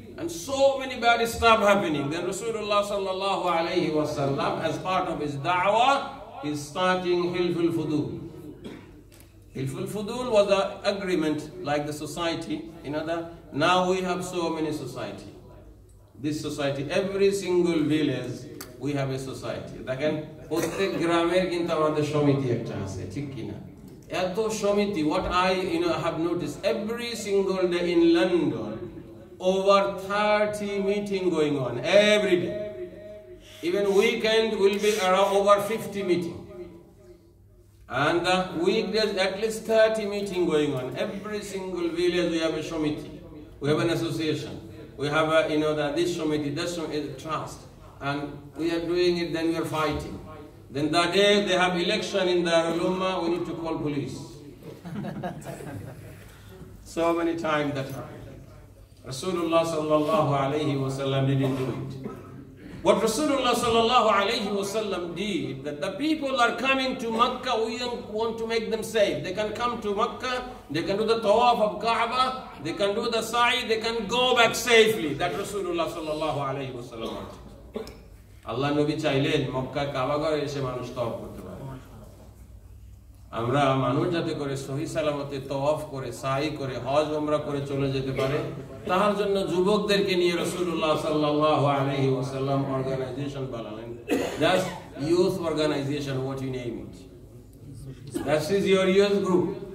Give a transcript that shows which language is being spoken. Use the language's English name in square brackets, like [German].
[English] And so many bad stuff happening. Then Rasulullah [Arabic] sallallahu alayhi wa sallam, [English] as part of his da'wah, he's starting Hilful Fudul. Hilful Fudul was an agreement like the society. In other, now we have so many society. This society, every single village, we have a society. [Bangla] Again, প্রত্যেক গ্রামের কিন্তু আমাদের সমিতি একটা আছে, ঠিক কিনা? এত সমিতি, [English] what I have noticed, every single day in London, over 30 meeting going on, every day. Even weekend will be around over 50 meeting. And weekdays at least 30 meeting going on. Every single village we have a shomiti. We have an association. We have this shomiti, that shomiti, trust. And we are doing it, then we are fighting. Then that day they have election in the Luma, we need to call police. So many times that happened. Rasulullah [Arabic] sallallahu alayhi wa sallam [English] didn't do it. What Rasulullah [Arabic] sallallahu alayhi wa sallam [English] did, that the people are coming to Makkah, we want to make them safe. They can come to Makkah, they can do the tawaf of Kaaba, they can do the sa'i, they can go back safely. That Rasulullah [Arabic] sallallahu alayhi wa sallam [English] did. [Bangla] আল্লাহ নবী চাইলেন মক্কা কাবা ঘরে এসে মানুষ তওয়াফ করতে পারে। আমরা মানুষ যাতে করে সহি সালামতে তওয়াফ করে, সাই করে, হজ উমরা করে চলে যেতে পারে, তাহার জন্য যুবকদেরকে নিয়ে রাসূলুল্লাহ সাল্লাল্লাহু আলাইহি ওয়াসাল্লাম অর্গানাইজেশন বানালেন, [English] Just youth organisation, what you name it, that is your youth group.